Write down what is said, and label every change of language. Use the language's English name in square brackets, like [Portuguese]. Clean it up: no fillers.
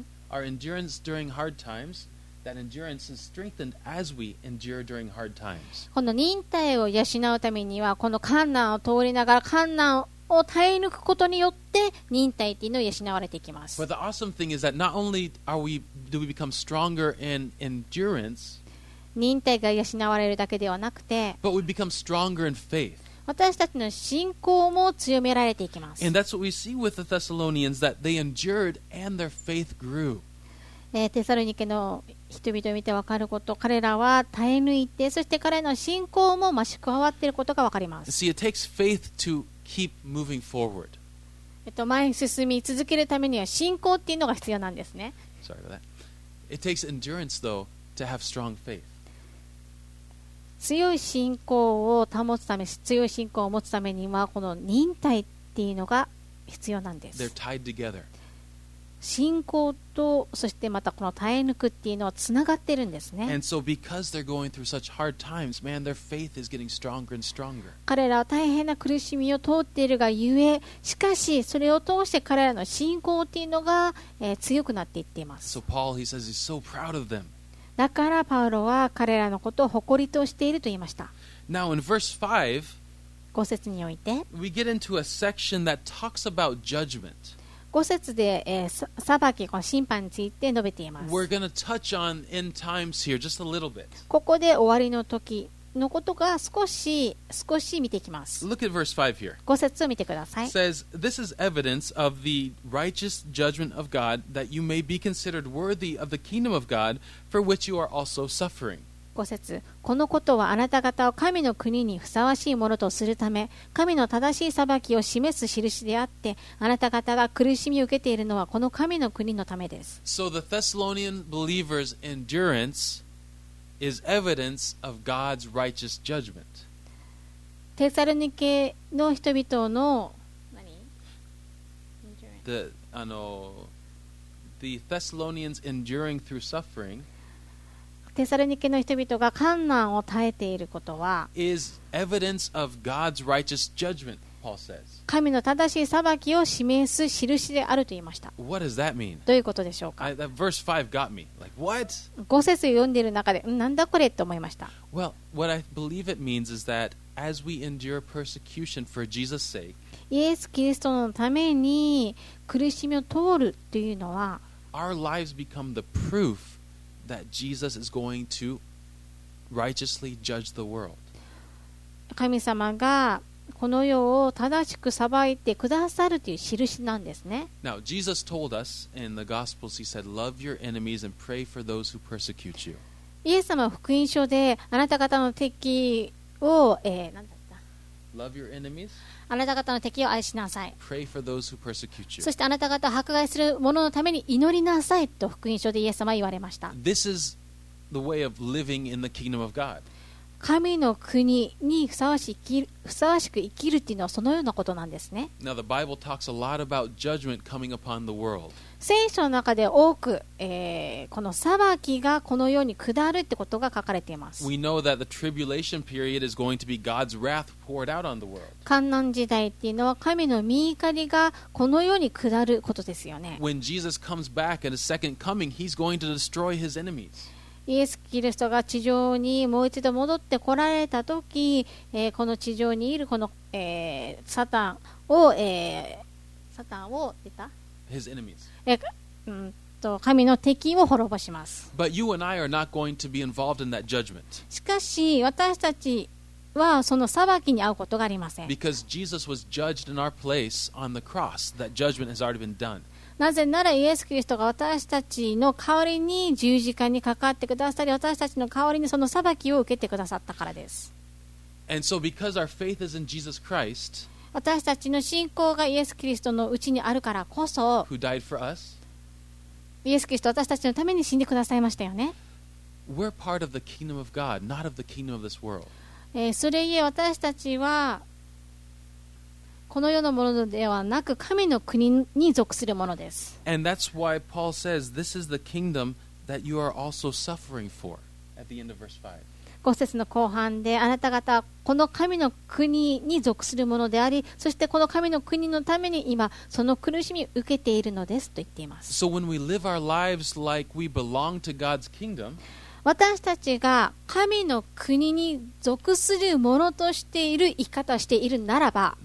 [English] Our endurance during hard times, that endurance is strengthened as we endure during hard times. [Japanese] この忍耐を養うためには、この困難を通りながら困難を耐え抜くことによって忍耐というのを養われていきます。 [English] But the awesome thing is that not only do we become stronger in endurance. [Japanese] 忍耐が養われるだけではなくて、 [English] But we become stronger in faith. [Japanese] 私たちの信仰も強められていきます。 [English] And that's what we see with the Thessalonians, that they endured and their faith grew. [Japanese] テサロニケの人々を見て分かること、彼らは耐え抜いて、そして彼らの信仰も増し加わっていることが分かります。 [English] See, it takes faith to keep moving forward. [Japanese] 前に進み続けるためには信仰っていうのが必要なんですね。 [English] Sorry about that. It takes endurance, though. To have strong faith. [Japanese] 強い信仰を保つため、強い信仰を持つためにはこの忍耐っていうのが必要なんです。 [English] They're tied together. [Japanese] 信仰とそしてまたこの耐え抜くっていうのはつながってるんですね。 [English] And so because they're going through such hard times, man, their faith is getting stronger and stronger. [Japanese] 彼らは大変な苦しみを通っているがゆえ、しかしそれを通して彼らの信仰っていうのが、強くなっていっています。 [English] So Paul, he says, he's so proud of them. [Japanese] だからパウロは彼らのことを誇りとしていると言いました。 [English] Now in verse 5, [Japanese] 5節において [English] we get into a section that talks about judgment. [Japanese] 5節で、裁き、この審判について述べています。 [English] We're going to touch on end times here just a little bit. [Japanese] ここで終わりの時のことが少し見ていきます。 [English] Look at verse 5 here. [Japanese] 5節を見てください。 [English] It says, This is evidence of the righteous judgment of God that you may be considered worthy of the kingdom of God for which you are also suffering. [Japanese] 5節。このことはあなた方を神の国にふさわしいものとするため、神の正しい裁きを示す印であって、あなた方が苦しみを受けているのはこの神の国のためです。 [English] So the Thessalonian believers' endurance... is evidence of God's righteous judgment. [Japanese] テサロニケの人々の何? [English] The Thessalonians enduring through suffering. [Japanese] テサロニケの人々が患難を耐えていることは [English] is evidence of God's righteous judgment. Paul says. [Japanese] 神の正しい裁きを示す印であると言いました。 [English] What does that mean? [Japanese] どういうことでしょうか? [English] That verse 5 got me. Like, what? [Japanese] 5節を読んでいる中で、なんだこれと思いました。 [English] Well, what I believe it means is that as we endure persecution for Jesus' sake, [Japanese] イエス・キリストのために苦しみを通るというのは、 [English] our lives become the proof that Jesus is going to righteously judge the world. [Japanese] 神様がこの世を正しく裁いてくださるという印なんですね。 [English] Now, Jesus told us in the Gospels, he said, love your enemies and pray for those who persecute you. [Japanese] イエス様は福音書であなた方の敵を、なんだった? [English] Love your enemies? [Japanese] あなた方の敵を愛しなさい。 [English] Pray for those who persecute you. [Japanese] そしてあなた方を迫害する者のために祈りなさいと福音書でイエス様は言われました。 [English] This is the way of living in the kingdom of God. [Japanese] 神の国にふさわしく生きるというのはそのようなことなんですね。 [English] Now, the Bible talks a lot about judgment coming upon the world. [Japanese] 聖書の中で多く、この裁きがこの世に下るということが書かれています。 [English] We know that the tribulation period is going to be God's wrath poured out on the world. [Japanese] 患難時代っていうのは神の御怒りがこの世に下ることですよね。 [English] When Jesus comes back at his second coming, he's going to destroy his enemies. [Japanese] イエス・キリストが地上にもう一度戻ってこられたとき、この地上にいるこの、サタンを、サタンを出た [English] His enemies. [Japanese] 神の敵を滅ぼします。 [English] But you and I are not going to be involved in that judgment. [Japanese] しかし私たちはその裁きに遭うことがありません。 [English] Because Jesus was judged in our place on the cross, that judgment has already been done. [Japanese] なぜならイエス・キリストが私たちの代わりに十字架にかかってくださり私たちの代わりにその裁きを受けてくださったからです。 [English] And so because our faith is in Jesus Christ, [Japanese] 私たちの信仰がイエス・キリストのうちにあるからこそ [English] who died for us, [Japanese] イエス・キリスト私たちのために死んでくださいましたよね。 [English] We're part of the kingdom of God, not of the kingdom of this world. [Japanese] それゆえ私たちはこの世のものではなく神の国に属するものです。 [English] And that's why Paul says this is the kingdom that you are also suffering for at the end of verse 5. [Japanese] 五節の後半であなた方はこの神の国に属するものであり、そしてこの神の国のために今その苦しみを受けているのですと言っています。 [English] So when we live our lives like we belong to God's kingdom, [Japanese] 私たちが神の国に属するものとしている生き方をしているならば、